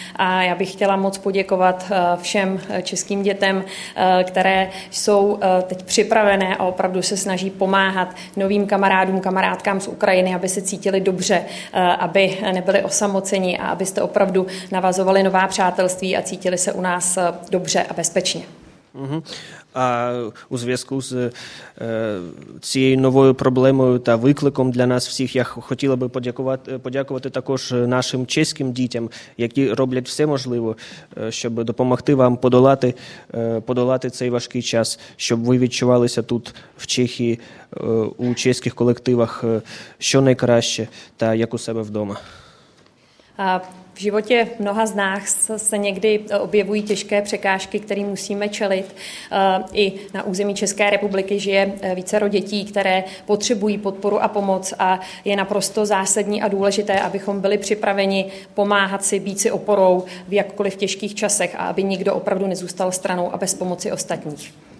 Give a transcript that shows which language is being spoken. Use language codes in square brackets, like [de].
[cs] A já bych chtěla moc poděkovat všem českým dětem, které jsou teď připravené a opravdu se snaží pomáhat novým kamarádům, kamarádkám z Ukrajiny, aby se cítili dobře, aby nebyli osamoceni a abyste opravdu navazovali nová přátelství a cítili se u nás dobře a bezpečně. [uk] А у зв'язку з цією новою проблемою та викликом для нас всіх, я хотіла би подякувати також нашим чеським дітям, які роблять все можливе, щоб допомогти вам подолати цей важкий час, щоб ви відчувалися тут в Чехії, у чеських колективах, що найкраще, та як у себе вдома. [cs] V životě mnoha z nás se někdy objevují těžké překážky, které musíme čelit. I na území České republiky žije vícero dětí, které potřebují podporu a pomoc a je naprosto zásadní a důležité, abychom byli připraveni pomáhat si, být si oporou v jakkoliv těžkých časech a aby nikdo opravdu nezůstal stranou a bez pomoci ostatních.